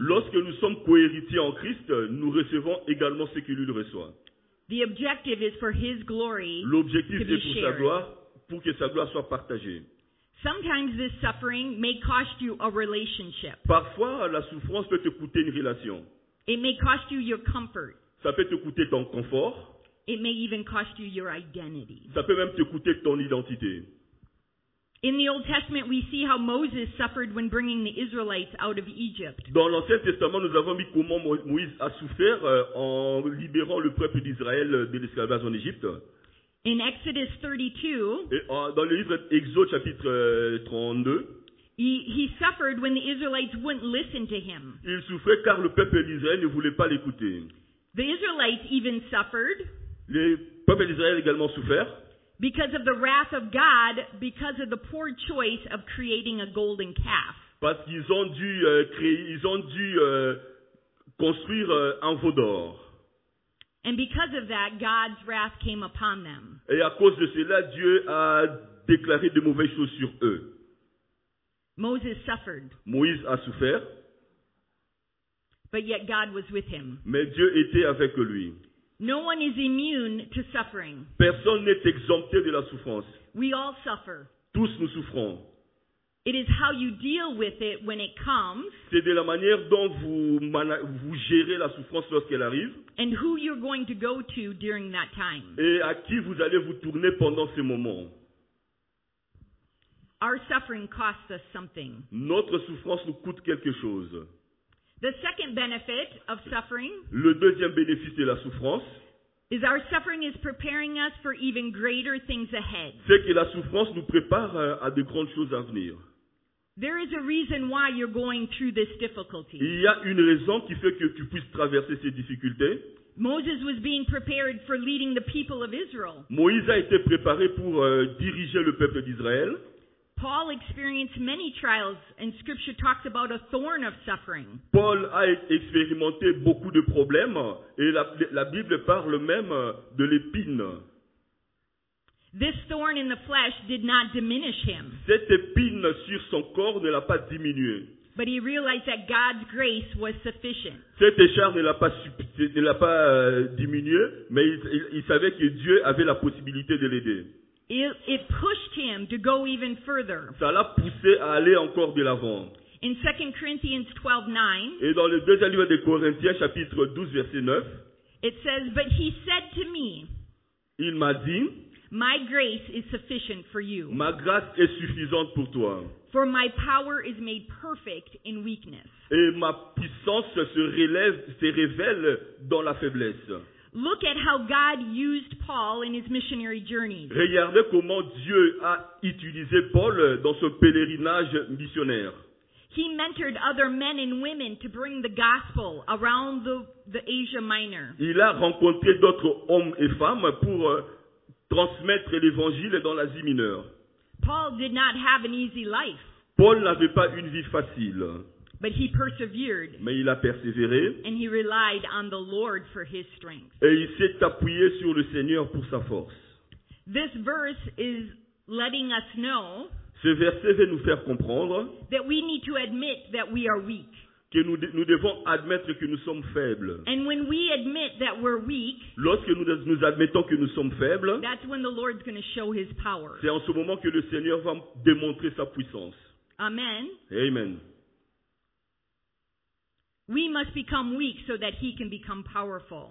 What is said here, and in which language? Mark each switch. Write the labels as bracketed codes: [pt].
[fr] Lorsque nous sommes co-héritiers en Christ, nous recevons également ce que lui reçoit. [en] The objective is for his glory to be shared. [fr] Pour sa gloire, pour que sa gloire soit partagée. [en] Sometimes this suffering may cost you a relationship. [fr] Parfois, la souffrance peut te coûter une relation. [en] It may cost you your comfort. [fr] Ça peut te coûter ton confort. [en] It may even cost you your identity. [fr] Ça peut même te coûter ton identité. [en] In the Old Testament, we see how Moses suffered when bringing the Israelites out of Egypt. [fr] Dans l'Ancien Testament, nous avons vu comment Moïse a souffert en libérant le peuple d'Israël de l'esclavage en Égypte. [en] In Exodus 32, [fr] dans le livre Exode chapitre 32, [en] he suffered when the Israelites wouldn't listen to him. [fr] Il souffrait car le peuple d'Israël ne voulait pas l'écouter. [en] The Israelites even suffered. [fr] Le peuple d'Israël également souffert. [en] Because of the wrath of God, because of the poor choice of creating a golden calf. [fr] Parce qu'ils ont dû construire un veau d'or. [en] And because of that, God's wrath came upon them. [fr] Et à cause de cela, Dieu a déclaré de mauvaises choses sur eux. [en] Moses suffered. [fr] Moïse a souffert. [en] But yet God was with him. [fr] Mais Dieu était avec lui. [en] No one is immune to suffering. [fr] Personne n'est exempté de la souffrance. [en] We all suffer. [fr] Tous nous souffrons. [en] It is how you deal with it when it comes. [fr] C'est de la manière dont vous gérez la souffrance lorsqu'elle arrive. [en] And who you're going to go to during that time. [fr] Et à qui vous allez vous tourner pendant ce moment. [en] Our suffering costs us something. [fr] Notre souffrance nous coûte quelque chose. [en] The second benefit of suffering, [fr] le deuxième bénéfice de la souffrance, [en] is our suffering is preparing us for even greater things ahead. [fr] C'est que la souffrance nous prépare à de grandes choses à venir. [en] There is a reason why you're going through this difficulty. [fr] Il y a une raison qui fait que tu puisses traverser ces difficultés. [en] Moses was being prepared for leading the people of Israel. [fr] Moïse a été préparé pour diriger le peuple d'Israël. [en] Paul experienced many trials, and Scripture talks about a thorn of suffering. [fr] Paul a expérimenté beaucoup de problèmes, et la Bible parle même de l'épine. [en] This thorn in the flesh did not diminish him. [fr] Cette épine sur son corps ne l'a pas diminué. [en] But he realized that God's grace was sufficient. [fr] Cette écharpe ne l'a pas diminué, mais il savait que Dieu avait la possibilité de l'aider. [en] It pushed him to go even further. [fr] Ça l'a poussé à aller encore de l'avant. [en] In 2 Corinthians 12:9, [fr] et dans le deuxième livre des Corinthiens, chapitre 12, verset 9, [en] it says, but he said to me, [fr] il m'a dit, [en] my grace is sufficient for you. [fr] Ma grâce est suffisante pour toi. [en] For my power is made perfect in weakness. [fr] Et ma puissance se révèle dans la faiblesse. [en] Look at how God used Paul in his missionary journey. [fr] Regardez comment Dieu a utilisé Paul dans son pèlerinage missionnaire. [en] He mentored other men and women to bring the gospel around the Asia Minor. [fr] Il a rencontré d'autres hommes et femmes pour transmettre l'évangile dans l'Asie mineure. [en] Paul did not have an easy life. [fr] Paul n'avait pas une vie facile. [en] But he persevered. [fr] Mais il a persévéré. [en] And he relied on the Lord for his strength. [fr] Et il s'est appuyé sur le Seigneur pour sa force. [en] This verse is letting us know. [fr] Ce verset veut nous faire comprendre. [en] That we need to admit that we are weak. [fr] Que nous devons admettre que nous sommes faibles. [en] And when we admit that we're weak, [fr] lorsque nous admettons que nous sommes faibles, [en] that's when the Lord's going to show his power. [fr] C'est en ce moment que le Seigneur va démontrer sa puissance. [en] Amen. [fr] Amen. [en] We must become weak so that he can become powerful.